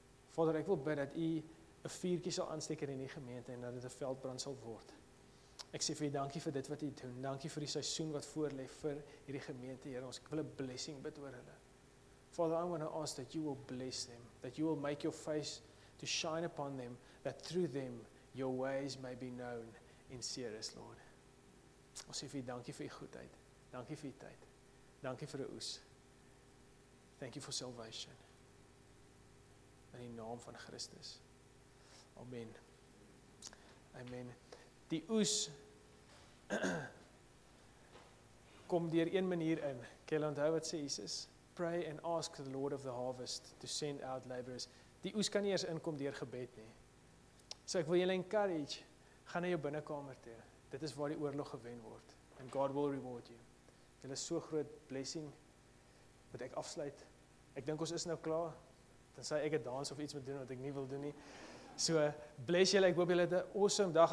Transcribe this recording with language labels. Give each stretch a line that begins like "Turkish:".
Afrikaans: Vader, ek wil bid dat U 'n vuurtjie sal aansteek in die gemeente en dat dit 'n veldbrand sal word. Ek sê vir U dankie vir dit wat U doen. Dankie vir die seisoen wat voorlê vir hierdie gemeente, Here. Ons wil 'n blessing bid oor hulle.
English: Father, I want to ask that You will bless them, that You will make Your face to shine upon them, that through them Your ways may be known in Sirius, Lord.
Afrikaans: Ons sê vir U dankie vir U goedheid. Dankie vir U tyd. Dankie vir 'n oes.
English: Thank You for salvation.
Afrikaans: In die naam van Christus. Amen. Amen. Die oes kom deur een manier in. Kan jy onthou wat sê Jesus?
English: Pray and ask the Lord of the harvest to send out laborers.
Afrikaans: Die oes kan nie eers inkom deur gebed nie. So ek wil julle encourage, gaan na jou binnekamer toe. Dit is waar die oorlog gewen word.
English: And God will reward you.
Afrikaans: Dit is so groot blessing, wat ek afsluit. Ek dink ons is nou klaar. Dan sê ek 'n dans of iets moet doen wat ek nie wil doen nie. So, bless julle, ek hoop julle het 'n awesome dag.